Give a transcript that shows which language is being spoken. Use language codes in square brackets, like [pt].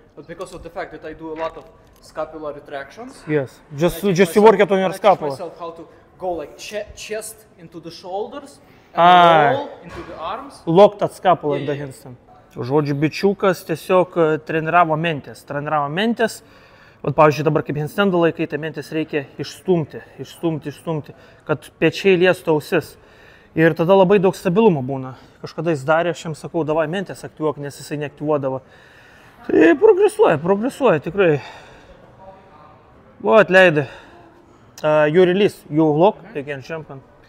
[en] But because of the fact that I do a lot of scapular retractions. Yes, just you work out on your scapula. I teach myself how to go like chest into the shoulders and roll into the arms. Lock that scapula in the handstand. [lt] Žodžiu, bičiukas tiesiog treniravo mentes. Вот, pavyzdžiui, dabar kaip handstand laikai, tai mentis reikia išstumti, kad pečiai liestų ausis. Ir tada labai daug stabilumo būna. Kažkada jis darė, aš jam sakau, davai mentis aktyvuok, nes jisai neaktyvuodavo. Tai progresuoja, tikrai. Vat, leidai. [en] You release, you lock, you can jump on.